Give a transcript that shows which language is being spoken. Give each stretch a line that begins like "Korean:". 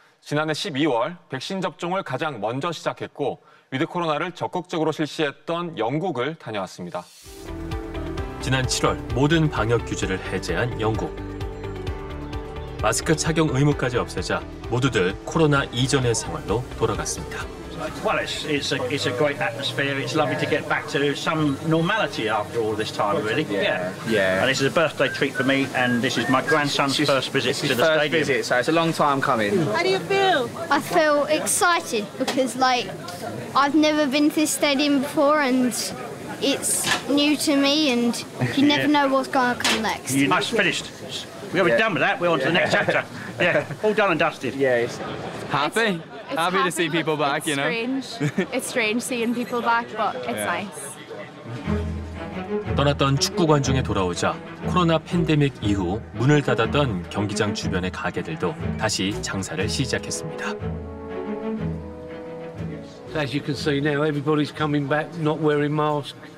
Korean: 지난해 12월 백신 접종을 가장 먼저 시작했고 위드 코로나를 적극적으로 실시했던 영국을 다녀왔습니다. 지난 7월 모든 방역 규제를 해제한 영국. 마스크 착용 의무까지 없애자 모두들 코로나 이전의 생활로 돌아갔습니다.
English: Well, it's a great atmosphere. It's lovely to get back to some normality after all this time, really. Yeah. And this is a birthday treat for me, and this is my grandson's first visit to the stadium. First visit, so it's a long time coming. How do you feel? I feel excited because, like, I've never been to this stadium before, and it's new to me, and you never know what's going to come next. Nice, finished. We're done with that. We're on to the next chapter. Yeah, all done and dusted. Yeah. Happy? It's happy to see people back, you know. It's strange seeing people back, but it's nice.
Korean: 떠났던 축구 관중이 돌아오자 코로나 팬데믹 이후 문을 닫았던 경기장 주변의 가게들도 다시 장사를 시작했습니다.
English: As you can see now, everybody's coming back, not wearing masks.